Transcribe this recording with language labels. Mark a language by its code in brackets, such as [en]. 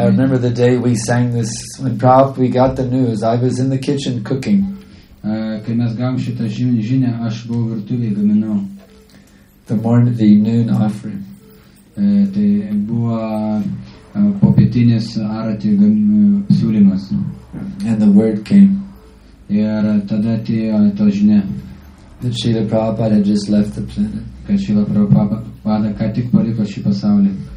[en] I remember the day we sang this, when Prabhupada, we got the news, I was in the kitchen cooking. [lt] Kai mes gavom šitą žinią, aš buvau virtuvėje gaminau. [en] The morning, the noon offering. [lt] Tai buvo popietinis arati siūlymas. [en] And the word came. [lt] Ir tada atėjo to žinia. [en] That Srila Prabhupada had just left the planet. [lt] Kad Srila Prabhupada ką tik paliko šį pasaulį.